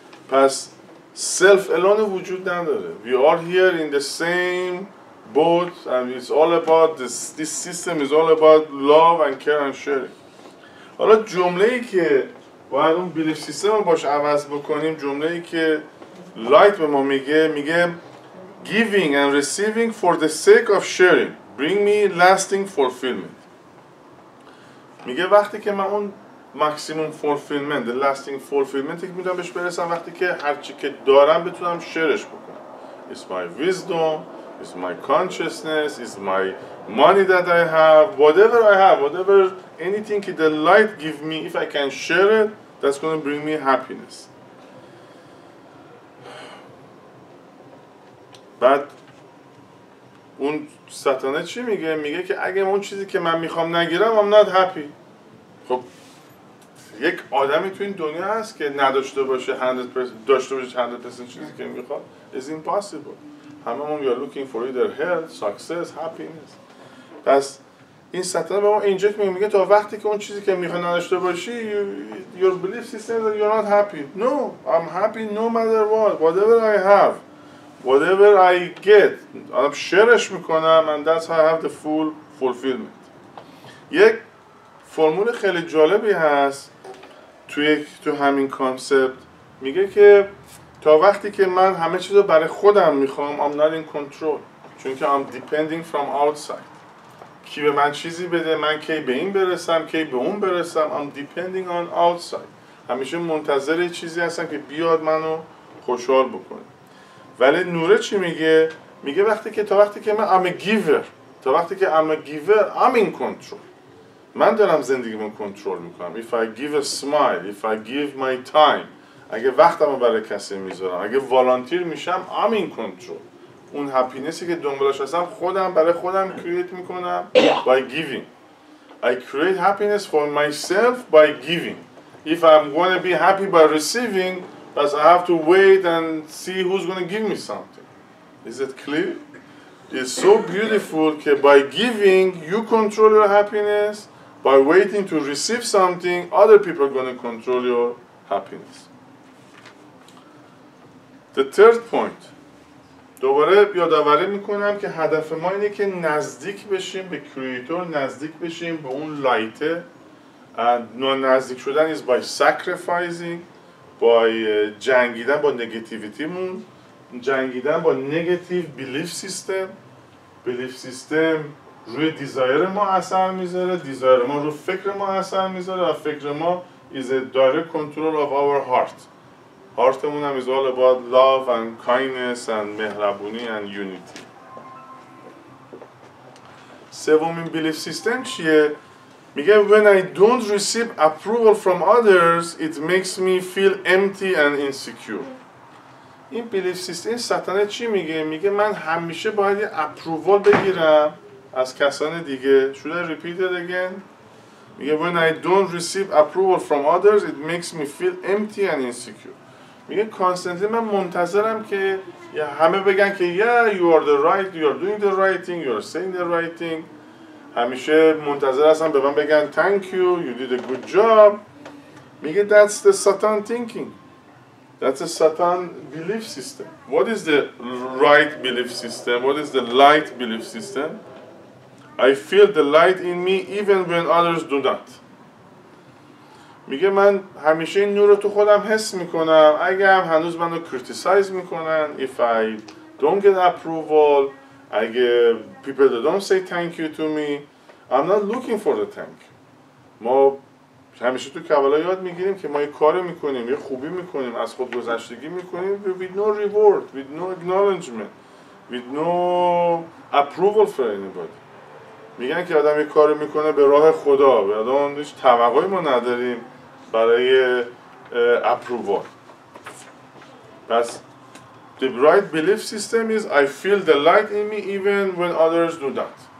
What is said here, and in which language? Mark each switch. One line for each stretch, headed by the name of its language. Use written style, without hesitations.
Persian: پس
English: self alone
Persian: وجود نداره.
English: We are here in the same boat and it's all about this system is all about love and care and sharing.
Persian: حالا جمله ای که باید اون بیلیف سیستم رو باش عوض بکنیم، جمله ای که لایت به ما میگه
English: giving and receiving for the sake of sharing bring me lasting fulfillment.
Persian: میگه وقتی که من اون
English: maximum fulfillment, the lasting fulfillment
Persian: یک میتونم بهش برسم، وقتی که هرچی که دارم بتونم شیرش بکنم.
English: It's my wisdom, it's my consciousness, it's my money that I have, whatever I have, whatever, anything که the light give me, if I can share it, that's gonna bring me happiness.
Persian: بعد اون ستانه چی میگه؟ میگه که اگه اون چیزی که من میخوام نگیرم،
English: I'm not happy.
Persian: خب یک آدمی تو این دنیا هست که نداشته باشه 100% داشته باشه 100% چیزی که میخواد؟
English: It's impossible.
Persian: همه ما
English: we are looking for either health, success, happiness.
Persian: پس این ستانه به ما اینجا که میگه تا وقتی که اون چیزی که میخواد نداشته باشی،
English: your belief system that you're not happy. No, I'm happy no matter what. Whatever I have, whatever I get, I'm shareش میکنم and that's how I have the full fulfillment.
Persian: یک فرمول خیلی جالبی هست تو همین کانسپت، میگه که تا وقتی که من همه چیزو برای خودم میخوام،
English: I'm not in control.
Persian: چون که
English: I'm depending from outside.
Persian: کی به من چیزی بده، من کی به این برسم، کی به اون برسم،
English: I'm depending on outside.
Persian: همیشه منتظر چیزی هستم که بیاد منو خوشحال بکنه. ولی نوره چی میگه؟ میگه وقتی که تا وقتی که من
English: I'm a giver, I'm in control.
Persian: من دارم زندگی من کنترل میکنم.
English: If I give a smile, if I give my time,
Persian: اگه وقتم رو برای کسی میذارم، اگه والانتیر میشم،
English: I'm in control.
Persian: اون هپینسی که دنبالش هستم خودم برای خودم create میکنم
English: by giving. I create happiness for myself by giving. If I'm gonna be happy by receiving, but I have to wait and see who's going to give me something. Is it clear? It's so beautiful that by giving, you control your happiness. By waiting to receive something, other people are going to control your happiness. The third point.
Persian: دوباره یادآوری میکنم که هدف ما اینه که نزدیک بشیم به کریئتور، نزدیک بشیم به اون لایته. نزدیک شدن
English: is by sacrificing.
Persian: By جنگیدن با نگتیویتیمون، جنگیدن با نگتیو بیلیف سیستم. بیلیف سیستم روی دیزایر ما اثر میذاره، دیزایر ما رو فکر ما اثر میذاره و فکر ما
English: is a direct control of our heart.
Persian: هارتمون هم
English: is all about love and kindness and مهربونی and unity. سومین belief system چیه؟ میگه when I don't receive approval from others, it makes me feel empty and insecure.
Persian: این بیلیف سیستم ساتانه چی میگه؟ میگه من همیشه باید یه اپرووال بگیرم از کسان دیگه.
English: Should I repeat it again? میگه when I don't receive approval from others, it makes me feel empty and insecure. میگه constantly
Persian: من منتظرم که همه بگن که
English: yeah, you are the right, you are doing the right thing, you are saying the right thing.
Persian: همیشه منتظر هستم به من بگن
English: thank you did a good job. میگه that's the Satan thinking. That's a Satan belief system. What is the right belief system? What is the light belief system? I feel the light in me even when others do not.
Persian: میگه من همیشه این نور رو تو خودم حس میکنم اگه هم هنوز منو criticize میکنن.
English: If I don't get approval, اگه people don't say thank you to me, I'm not looking for the thank you.
Persian: ما همیشه تو کبلا یاد میگیریم که ما یه کار میکنیم، یه خوبی میکنیم، از خود گذشتگی میکنیم
English: with no reward, with no acknowledgement, with no approval for anybody.
Persian: میگن که آدم یه کار میکنه به راه خدا، به آدم هیچ توقعی ما نداریم برای approval.
English: پس the right belief system is I feel the light in me even when others do not.